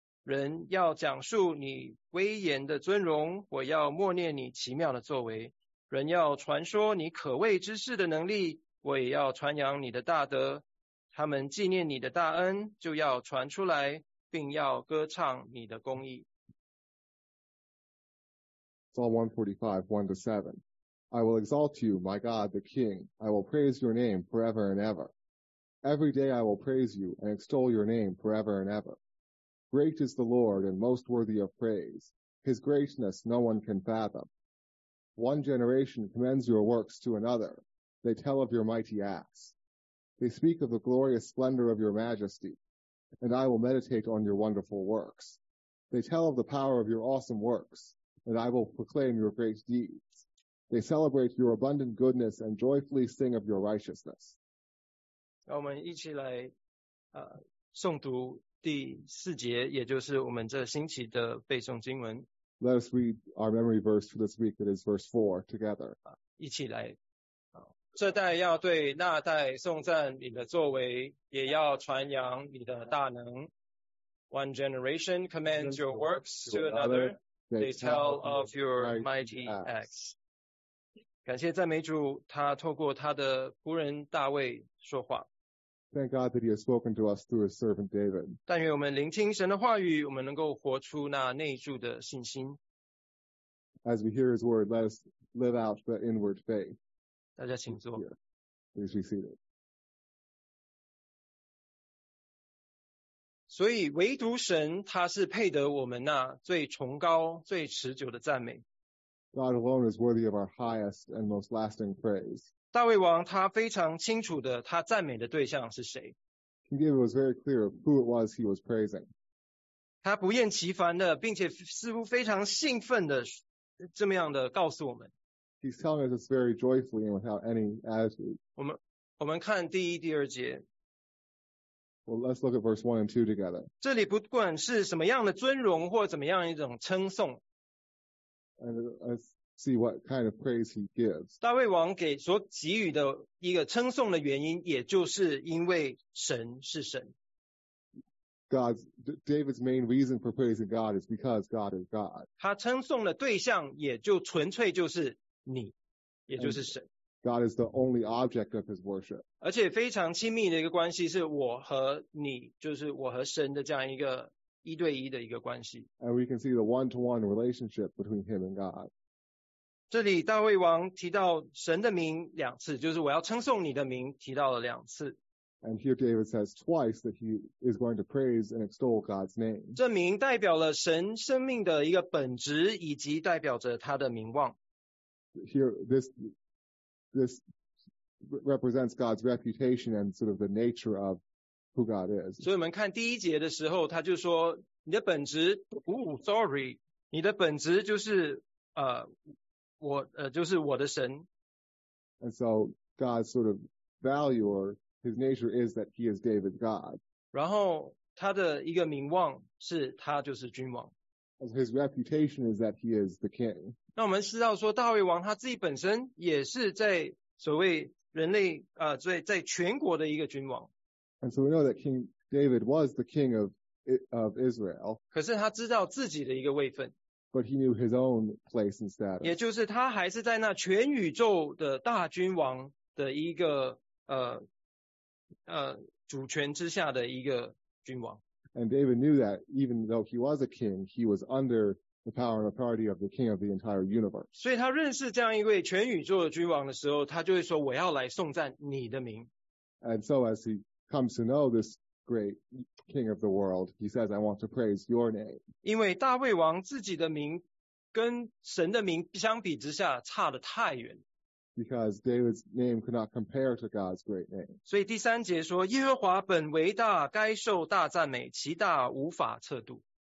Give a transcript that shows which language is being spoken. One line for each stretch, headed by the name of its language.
Chinese: 人要讲述你威严的尊荣，我要默念你奇妙的作为。人要传说你可畏之事的能力，我也要传扬你的大德。他们纪念你的大恩，就要传出来，并要歌唱你的公义。
English: Psalm 145, 1 to 7. I will exalt you, my God, the King. I will praise your name forever and ever. Every day I will praise you and extol your name forever and ever. Great is the Lord and most worthy of praise. His greatness no one can fathom. One generation commends your works to another. They tell of your mighty acts. They speak of the glorious splendor of your majesty, and I will meditate on your wonderful works. They tell of the power of your awesome works, and I will proclaim your great deeds. They celebrate your abundant goodness and joyfully sing of your righteousness.
Chinese: 让我们一起来诵读第四节，也就是我们这星期的背诵经文。
English: Let us read our memory verse for this week, that is verse 4, together.
Chinese: 一起来。这代要对那代颂赞你的作为，也要传扬你的大能。
English: One generation commends your works to another. They tell of your mighty acts.
Chinese: 感谢赞美主，他透过他的仆人大卫说话。
English: Thank God that he has spoken to us through his servant David.
Chinese: 但愿我们聆听神的话语，我们能够活出那内住的信心。
English: As we hear his word, let us live out the inward faith.
Chinese: 大家请坐。
English: Please be seated.
Chinese: 所以唯独神，他是配得我们那最崇高、最持久的赞美。
English: God alone is worthy of our highest and most lasting praise.
Chinese: 大卫王他非常清楚的，他赞美的对象是谁。
English: King David was very clear of who it was he was praising.
Chinese: 他不厌其烦的，并且似乎非常兴奋的，这么样的告诉我们。
English: He's telling us this very joyfully and without any attitude.
Chinese: 我们看第一、第二节。
English: Well, let's look at verse 1 and 2 together.
Chinese: 这里不管是什么样的尊荣或怎么样一种称颂。
English: And let's see what kind of praise he gives.
Chinese: 大卫王给所给予的一个称颂的原因，也就是因为神是神。
English: David's main reason for praising God is because God is God.
Chinese: 他称颂的对象也就纯粹就是你，也就是神。
English: God is the only object of his worship.
Chinese: 而且非常亲密的一个关系是我和你，就是我和神的这样一个一对一的一个关系。
English: And we can see the one-to-one relationship between him and God.
Chinese: 这里大卫王提到神的名两次，就是我要称颂你的名，提到了两次。
English: And here David says twice that he is going to praise and extol God's name.
Chinese: 这名代表了神生命的一个本质，以及代表着他的名望。
English: This represents God's reputation and sort of the nature of who God is.
Chinese: 所以我们看第一节的时候，他就说你的本质，哦 ，sorry， 你的本质就是就是我的神。
English: And so God's sort of value or his nature is that he is David's God.
Chinese: 然后他的一个名望是他就是君王。
English: His reputation is that he is the king.
Chinese: 那我们知道说大卫王他自己本身也是在所谓人类在全国的一个君王。
English: And so we know that King David was the king of Israel.
Chinese: 可是他知道自己的一个位分。
English: But he knew his own place and status.
Chinese: 也就是他还是在那全宇宙的大君王的一个主权之下的一个君王。
English: And David knew that even though he was a king, he was under the power and authority of the king of the entire universe.
Chinese: 所以他认识这样一位全宇宙的君王的时候，他就会说我要来颂赞你的名。
English: And so as he comes to know this great king of the world, he says, I want to praise your name.
Chinese: 因为大卫王自己的名跟神的名相比之下差得太远。
English: Because David's name could not compare to God's great name.
Chinese: 所以第三节说，耶和华本为大，该受大赞美，其大无法测度。